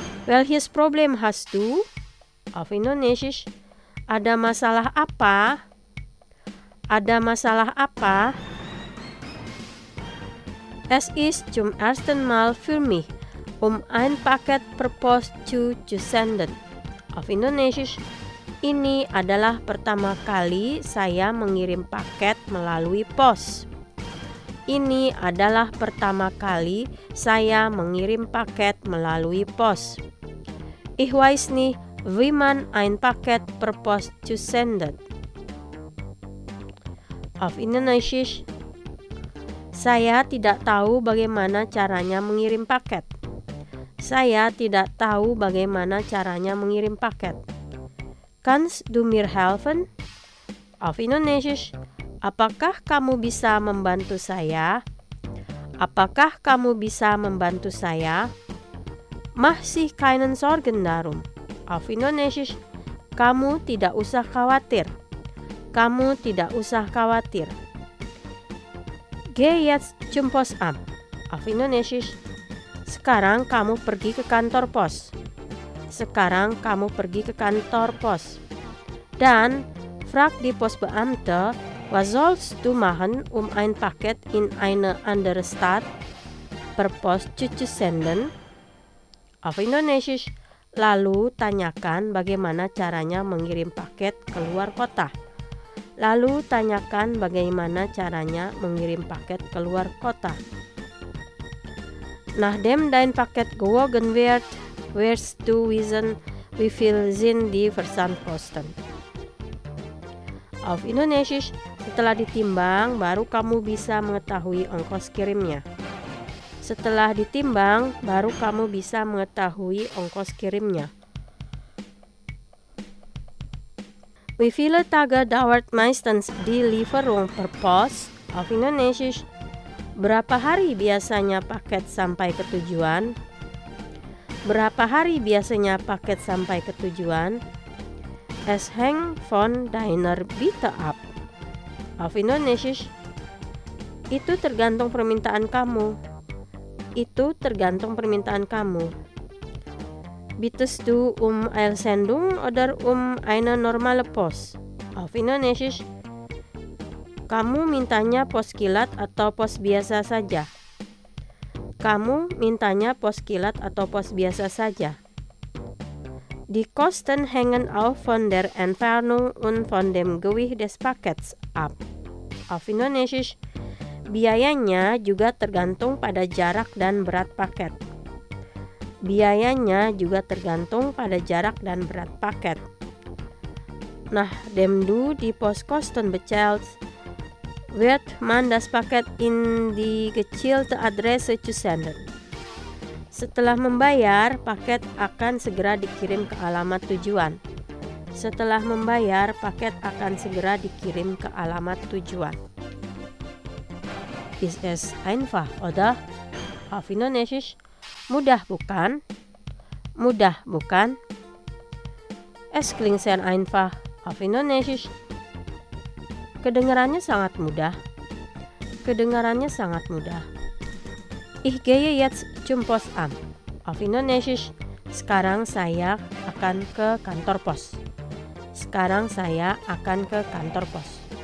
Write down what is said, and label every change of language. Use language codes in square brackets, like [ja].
[de] Welches Problem hast du? Auf Indonesisch. [id] Ada masalah apa? Ada masalah apa? [de] Es ist zum ersten Mal für mich, ein Paket per Post zu senden. Auf Indonesisch, [id] ini adalah pertama kali saya mengirim paket melalui pos. Ini adalah pertama kali saya mengirim paket melalui pos. [de] Ich weiß nicht, wie man ein Paket per Post zu sendet. Auf Indonesisch. [id] Saya tidak tahu bagaimana caranya mengirim paket. Saya tidak tahu bagaimana caranya mengirim paket. [de] Kannst du mir helfen? Auf Indonesisch. [id] Apakah kamu bisa membantu saya? Apakah kamu bisa membantu saya? [de] Mach sich keinen Sorgen darum. Auf Indonesisch. [id] Kamu tidak usah khawatir. Kamu tidak usah khawatir. [de] Geh jetzt zum Postamt. Auf Indonesisch. [id] Sekarang kamu pergi ke kantor pos. Sekarang kamu pergi ke kantor pos. [de] Dan frag die Postbeamte, was sollst du machen, ein Paket in eine andere Stadt per Post zu senden? Auf Indonesisch. [id] Lalu tanyakan bagaimana caranya mengirim paket keluar kota. Lalu tanyakan bagaimana caranya mengirim paket keluar kota. [de] Nachdem dein Paket gewogen wird, wirst du wissen, wie viel sind die Versandkosten. Auf Indonesisch, [id] setelah ditimbang, baru kamu bisa mengetahui ongkos kirimnya. Setelah ditimbang, baru kamu bisa mengetahui ongkos kirimnya. [de] Wie viele Tage dauert meistens die Lieferung per Post? Auf Indonesisch. [id] Berapa hari biasanya paket sampai ke tujuan? Berapa hari biasanya paket sampai ke tujuan? [de] Es hängt von deiner Bitte ab. Auf Indonesisch. [id] Itu tergantung permintaan kamu. Itu tergantung permintaan kamu. [de] Bittest du eine Sendung oder eine normale Post? Auf Indonesisch. [id] Kamu mintanya pos kilat atau pos biasa saja? Kamu mintanya pos kilat atau pos biasa saja? [de] Die Kosten hängen auch von der Entfernung und von dem Gewicht des Pakets ab. Auf Indonesisch. [id] Biayanya juga tergantung pada jarak dan berat paket. Biayanya juga tergantung pada jarak dan berat paket. [de] Nah, dem du die Postkosten bezahlst, wird man das Paket in die gezielte Adresse zu senden. [id] Setelah membayar, paket akan segera dikirim ke alamat tujuan. Setelah membayar, paket akan segera dikirim ke alamat tujuan. [de] Ist es einfach, oder? Auf Indonesisch. [id] Mudah, bukan? Mudah, bukan? [de] Es klingt sehr einfach. Auf Indonesisch. [id] Kedengarannya sangat mudah. Kedengarannya sangat mudah. [de] Ich gehe jetzt zum Postamt. Auf Indonesisch. [id] Sekarang saya akan ke kantor pos. Sekarang saya akan ke kantor pos.